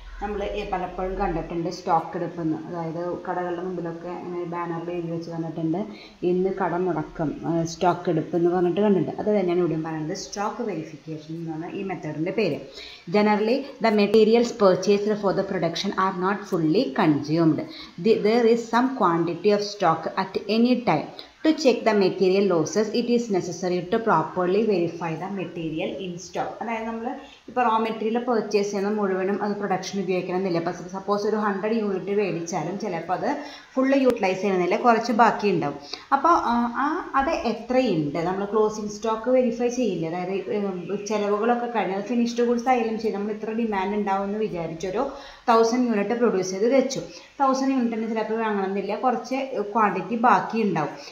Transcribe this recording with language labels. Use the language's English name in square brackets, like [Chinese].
[Malayalam] നമ്മൾ പലപ്പോഴും കണ്ടിട്ടുണ്ട് സ്റ്റോക്ക് എടുപ്പെന്ന്, അതായത് കടകളുടെ മുമ്പിലൊക്കെ ഇങ്ങനെ ബാനറിൽ എഴുതി വെച്ച് കണ്ടിട്ടുണ്ട് ഇന്ന് കട മുടക്കം സ്റ്റോക്ക് എടുപ്പെന്ന് പറഞ്ഞിട്ട് കണ്ടിട്ടുണ്ട്. അത് തന്നെയാണ് ഇവിടെയും പറയുന്നത്, സ്റ്റോക്ക് വെരിഫിക്കേഷൻ എന്ന് പറഞ്ഞാൽ ഈ മെത്തേഡിൻ്റെ പേര്. [English] Generally the materials purchased for the production are not fully consumed, there is some quantity of stock at any time. To check the material losses, it is necessary to properly verify the material in stock. [Malayalam] അതായത് നമ്മൾ ഇപ്പോൾ raw material purchase ചെയ്യുന്ന മുഴുവനും അത് production ഉപയോഗിക്കണമെന്നില്ല. ഇപ്പോൾ suppose ഒരു 100 unit മേടിച്ചാലും ചിലപ്പോൾ അത് ഫുള്ള് യൂട്ടിലൈസ് ചെയ്യണമെന്നില്ല, കുറച്ച് ബാക്കിയുണ്ടാവും. അപ്പോൾ ആ അത് എത്രയുണ്ട് നമ്മൾ ക്ലോസിങ് സ്റ്റോക്ക് വെരിഫൈ ചെയ്യില്ല. അതായത് ചിലവുകളൊക്കെ കഴിഞ്ഞാൽ ഫിനിഷ്ഡ് ഗുഡ്സ് ആയാലും ശരി, നമ്മൾ ഇത്ര ഡിമാൻഡ് ഉണ്ടാവുമെന്ന് വിചാരിച്ചൊരു 1000 യൂണിറ്റ് പ്രൊഡ്യൂസ് ചെയ്ത് വെച്ചു, 1000 യൂണിറ്റിന് ചിലപ്പോൾ വാങ്ങണമെന്നില്ല, കുറച്ച് ക്വാണ്ടിറ്റി ബാക്കിയുണ്ടാവും.